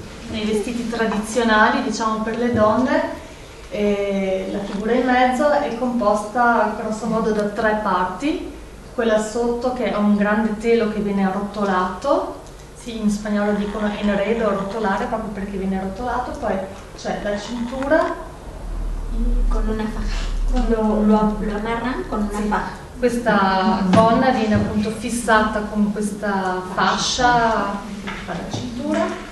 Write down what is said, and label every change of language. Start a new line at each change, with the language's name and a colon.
Italian: Nei vestiti tradizionali, diciamo per le donne, la figura in mezzo è composta grosso modo da tre parti: quella sotto che è un grande telo che viene arrotolato. Sì, in spagnolo dicono enredo, arrotolare, proprio perché viene arrotolato. Poi c'è la cintura.
Spanish: Con una faja, lo amarran con una faja.
Italian: Questa gonna viene appunto fissata con questa fascia per la cintura.